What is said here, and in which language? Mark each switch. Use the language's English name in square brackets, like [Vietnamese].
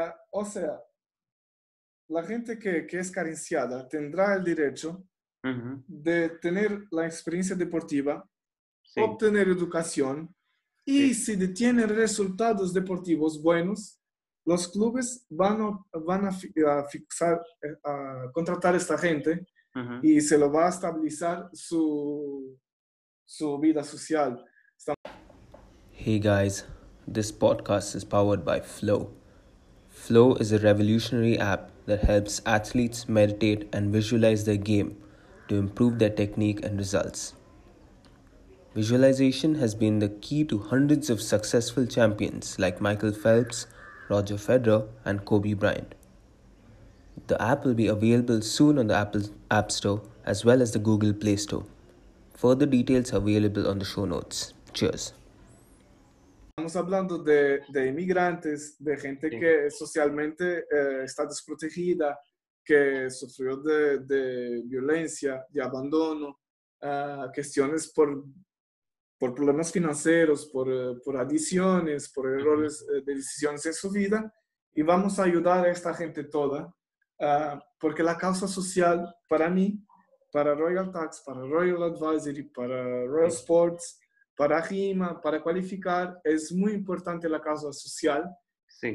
[Spanish] O sea, la gente que es carenciada tendrá el derecho de tener la experiencia deportiva, obtener educación, y si tienen resultados deportivos buenos, los clubes van a contratar a esta gente y se lo va a estabilizar su vida social. [English] Hey guys, this podcast is powered by Flow. Flow is a revolutionary app that helps athletes meditate and visualize their game to improve their technique and results. Visualization has been the key to hundreds of successful champions like Michael Phelps, Roger Federer, and Kobe Bryant. The app will be available soon on the Apple App Store as well as the Google Play Store. Further details are available on the show notes. Cheers. [Spanish] Estamos hablando de inmigrantes, de gente que socialmente está desprotegida, que sufrió de violencia, de abandono, cuestiones por problemas financieros, por adicciones, por errores de decisiones en su vida, y vamos a ayudar a esta gente toda, porque la causa social para mí, para Royal Tax, para Royal Advisory, para Royal Sports, para RIMA, para cualificar, es muy importante la causa social. Sí.